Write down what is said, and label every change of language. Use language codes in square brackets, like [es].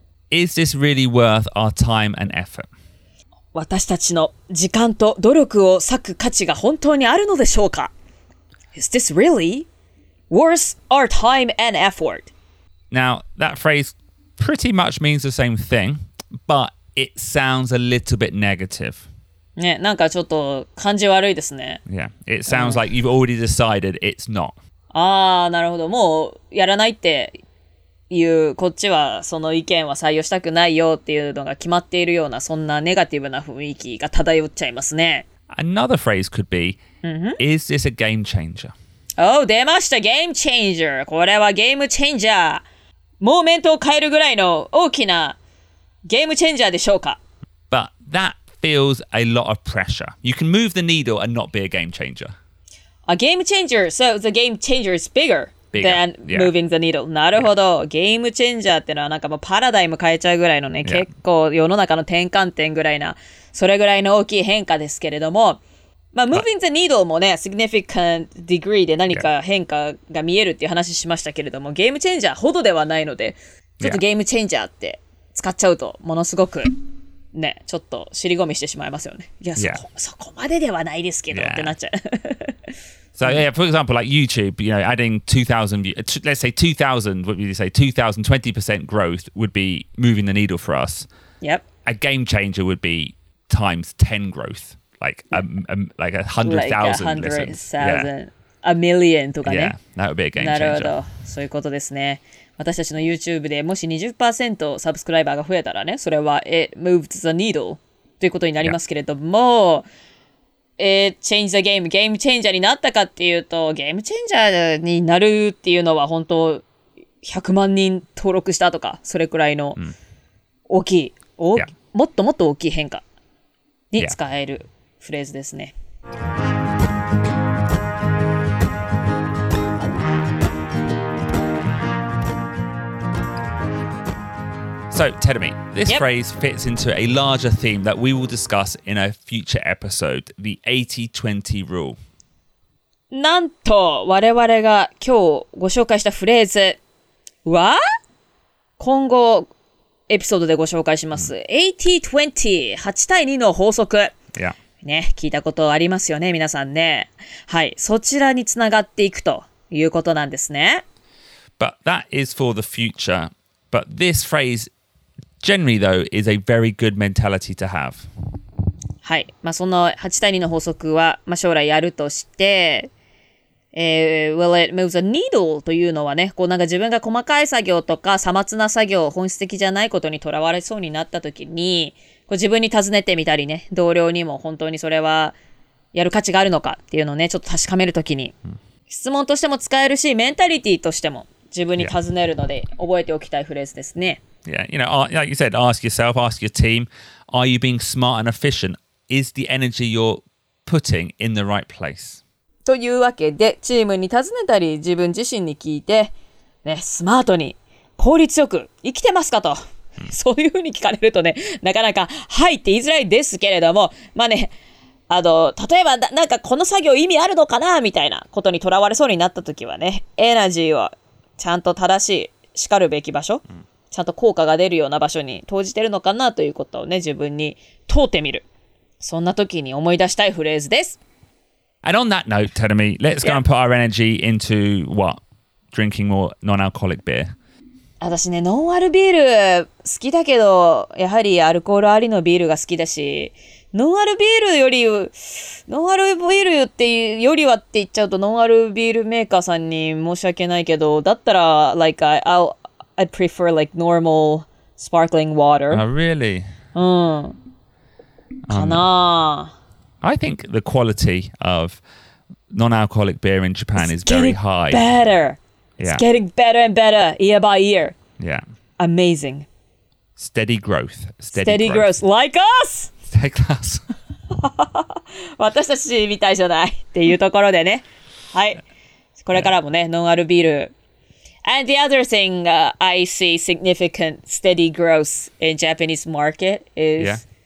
[en] Is this really worth our time and effort? [ja] 私たちの時間と努力を割く価値が本当にあるのでしょうか? [en] Is this really worth our time and effort? Now, that phrase pretty much means the same thing, but it sounds a little bit negative. [ja] ね、なんかちょっと感じ悪いですね。 [en] Yeah, it sounds like you've already decided it's not. [ja] ああ、なるほど。もうやらないっていうこっちはその意見は採用したくないよっていうのが決まっているようなそんなネガティブな雰囲気が漂っちゃいますね。 [en] Another phrase could be、mm-hmm. Is this a game changer? [ja] Oh, 出ました Game changer! これはゲームチェンジャー。モーメントを変えるぐらいの大きなゲームチェンジャーでしょうか。 [en] But that feels a lot of pressure. You can move the needle and not be a game changer. A game changer, so the game changer is bigger Bigger. Then moving the needle. [ja] なるほど。ゲームチェンジャーってのはなんかもうパラダイム変えちゃうぐらいのね、結構世の中の転換点ぐらいな、それぐらいの大きい変化ですけれども、まあ moving the needle もね、 [en] significant degree [ja] で何か変化が見えるっていう話しましたけれども、ゲームチェンジャーほどではないので、ちょっとゲームチェンジャーって使っちゃうと、ものすごくね、ちょっと尻込みしてしまいますよね。いや、そこまでではないですけどってなっちゃう。 [en] So yeah, for example, like YouTube, you know, adding 2,000 views, let's say 2,000, what would you say, 2,000, 20% growth would be moving the needle for us. Yep. A game changer would be times 10 growth, like, like 100,000 listens. Like 100,000, a million [ja] とかね。 [en] Yeah, that would be a game changer. [ja] なるほど。そういうことですね。私たちの YouTube でもし 20% サブスクライバーが増えたらね、それは [en] it moved the needle [ja] ということになりますけれども、 [en] It changed the game. [ja] ゲームチェンジャーになったかっていうと、ゲームチェンジャーになるっていうのは本当100万人登録したとか、それくらいの大きい、もっともっと大きい変化に使えるフレーズですね。 [en] So, tell me, this phrase fits into a larger theme that we will discuss in a future episode, the 80-20 rule. [ja] なんと、我々が今日ご紹介したフレーズは、今後エピソードでご紹介します。80-20、8対2の法則。 [en] Yeah. [ja] ね、聞いたことありますよね、皆さんね。はい、そちらにつながっていくということなんですね。 [en] But that is for the future. But this phrase, generally though, is a very good mentality to have. [ja] はい、まあ、その8対2の法則は、まあ、将来やるとして、 [en] Will it move the needle [ja] というのはね、こうなんか自分が細かい作業とか、さまつな作業、本質的じゃないことにとらわれそうになったときに、こう自分に尋ねてみたりね、同僚にも本当にそれはやる価値があるのかっていうのをね、ちょっと確かめるときに、質問としても使えるし、メンタリティとしても自分に尋ねるので、 [en] yeah. [ja] 覚えておきたいフレーズですね。 [en] Yeah, you know, like you said, ask yourself, ask your team, are you being smart and efficient? Is the energy you're putting in the right place? [ja] というわけで、チームに尋ねたり、自分自身に聞いて、ね、スマートに、効率よく生きてますかと、そういうふうに聞かれるとね、なかなか、はいって言いづらいですけれども、まあね、例えば、なんかこの作業意味あるのかなみたいなことにとらわれそうになったときはね、エナジーをちゃんと正しい、しかるべき場所、ちゃんと効果が出るような場所に投じてるのかなということをね、自分に問うてみる。そんなときに思い出したいフレーズです。 [en] And on that note, Terumi, let's go and put our energy into what? Drinking more non-alcoholic beer. [ja] 私ね、ノンアルビール好きだけど、やはりアルコールありのビールが好きだし、ノンアルビールより、ノンアルビールってよりはって言っちゃうと、ノンアルビールメーカーさんに申し訳ないけど、だったら、 [en] like, I'd prefer like normal sparkling water. Oh, really? [ja] うん。かなぁ。 [en] I think the quality of non-alcoholic beer in Japan is very high. Better. Yeah. It's getting better and better year by year. Yeah. Amazing. Steady growth. Steady growth. Like us! Like us. [ja] 私たちみたいじゃないっていうところでね。はい。これからもね、ノンアルビール。 [en] And the other thing I see significant steady growth in Japanese market is、yeah.